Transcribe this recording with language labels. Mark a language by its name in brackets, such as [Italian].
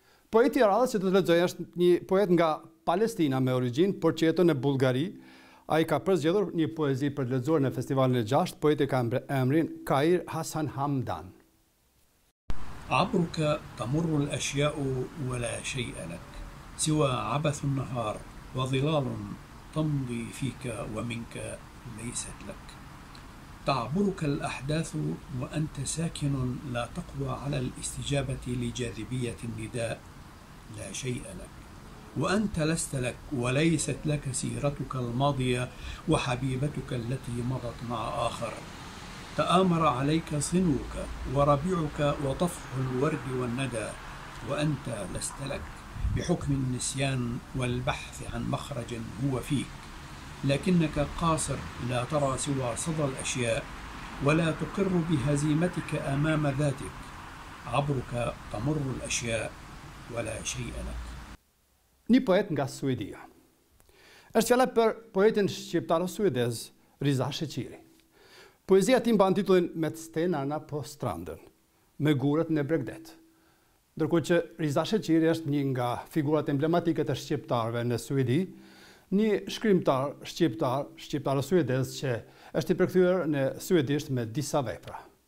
[Albanian] Poeti i radhës që do të lexoj është një poet nga Palestina me origjin, por që jeton në Bullgari. Ai ka përzgjedhur një poezi për të lexuar në festivalin e 6. Poeti ka emrin Kair Hasan Hamdan. [Arabic] عبرك تمر الأشياء ولا شيء لك سوى عبث النهار وظلال تمضي فيك ومنك ليست لك تعبرك الأحداث وأنت ساكن لا تقوى على الاستجابة لجاذبية النداء لا شيء لك وأنت لست لك وليست لك سيرتك الماضية وحبيبتك التي مضت مع آخر تآمر عليك صنوك وربيعك وطفح الورد والندى وأنت لست لك بحكم النسيان والبحث عن مخرج هو فيك لكنك قاصر لا ترى سوى صدى الأشياء ولا تقر بهزيمتك أمام ذاتك عبرك تمر الأشياء ولا شيء لك [Albanian] Një poet nga Suedia. Është fjala për poetin shqiptaro-suedez Riza Sheqiri. Poezia ti mban titullin Me stenana po strandën, me gurët në bregdet. Ndërkohë që Riza Sheqiri është një nga figurat emblematike të shqiptarëve në Suedi, një shkrimtar shqiptar, shqiptaro-suedez që është i përkthyer në suedisht me disa vepra.